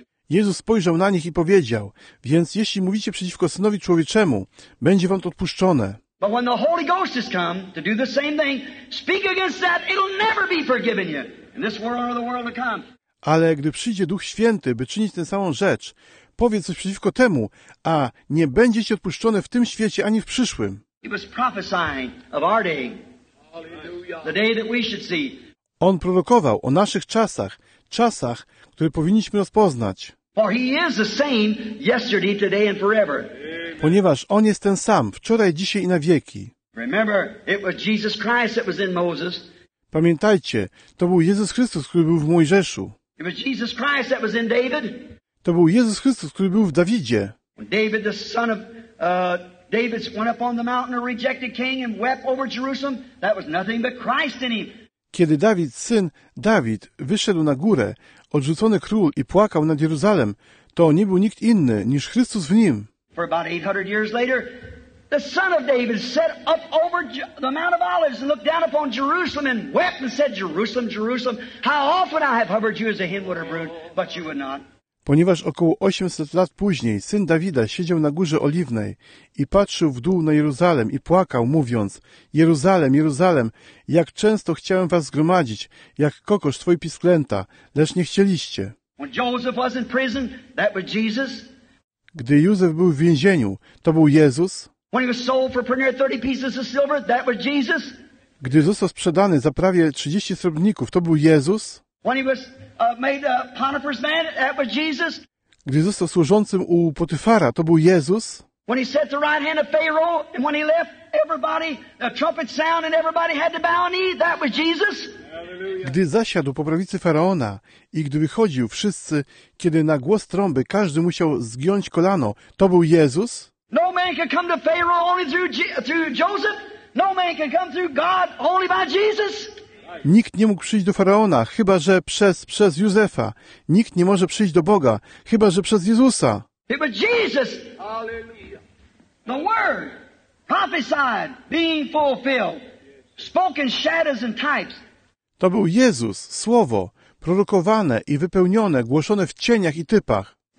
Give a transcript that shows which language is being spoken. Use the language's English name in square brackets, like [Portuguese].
[Polish] Jezus spojrzał na nich i powiedział, więc jeśli mówicie przeciwko Synowi Człowieczemu, będzie wam to odpuszczone. [English] But when the Holy Ghost has come to do the same thing, speak against that, it'll never be forgiven you in this world or the world to come. [Polish] Ale gdy przyjdzie Duch Święty, by czynić tę samą rzecz, powiedz coś przeciwko temu, a nie będzie ci odpuszczone w tym świecie ani w przyszłym. [English] He was prophesying of our day. The day that we should see. [Polish] On prorokował o naszych czasach, czasach, które powinniśmy rozpoznać. [English] For he is the same yesterday, today and forever. [Polish] Ponieważ on jest ten sam wczoraj, dzisiaj i na wieki. [English] Remember, it was Jesus Christ that was in Moses. [Polish] Pamiętajcie, to był Jezus Chrystus, który był w Mojżeszu. [English] It was Jesus Christ that was in David. [Polish] To był Jezus Chrystus, który był w Dawidzie. [English] When David, the son of David, went up on the mountain, a rejected king, and wept over Jerusalem, that was nothing but Christ in him. [Polish] Kiedy Dawid, syn Dawid, wyszedł na górę, odrzucony król i płakał nad Jeruzalem, to nie był nikt inny niż Chrystus w nim. [English] For about 800 years later, the son of David sat up over the Mount of Olives and looked down upon Jerusalem and wept and said, Jerusalem, Jerusalem, how often I have hovered you as a hen would have brood, but you would not. [Polish] Ponieważ około 800 lat później syn Dawida siedział na Górze Oliwnej i patrzył w dół na Jeruzalem i płakał, mówiąc, Jeruzalem, Jeruzalem, jak często chciałem was zgromadzić, jak kokosz twoi pisklęta, lecz nie chcieliście. [English] When Joseph was in prison, that was Jesus. [Polish] Gdy Józef był w więzieniu, to był Jezus. [English] When he was sold for near 30 pieces of silver, that was Jesus. [Polish] Gdy został sprzedany za prawie 30 srebrników, to był Jezus. [English] When he was made Potiphar's man, that was Jesus. [Polish] Gdy został służącym u Potyfara, to był Jezus. [English] When he sat the right hand of Pharaoh, and when he left, everybody, the trumpet sound, and everybody had to bow knee, that was Jesus. [Polish] Gdy zasiadł po prawicy Faraona i gdy wychodził wszyscy, kiedy na głos trąby każdy musiał zgiąć kolano, to był Jezus. [English] No man can come to Pharaoh only through Joseph. No man can come through God only by Jesus. [Polish] Nikt nie mógł przyjść do Faraona, chyba że przez Józefa. Nikt nie może przyjść do Boga, chyba że przez Jezusa. [English] It was Jesus. Hallelujah. The word prophesied being fulfilled. Spoken shadows and types. [Polish] To był Jezus, Słowo, prorokowane i wypełnione, głoszone w cieniach i typach.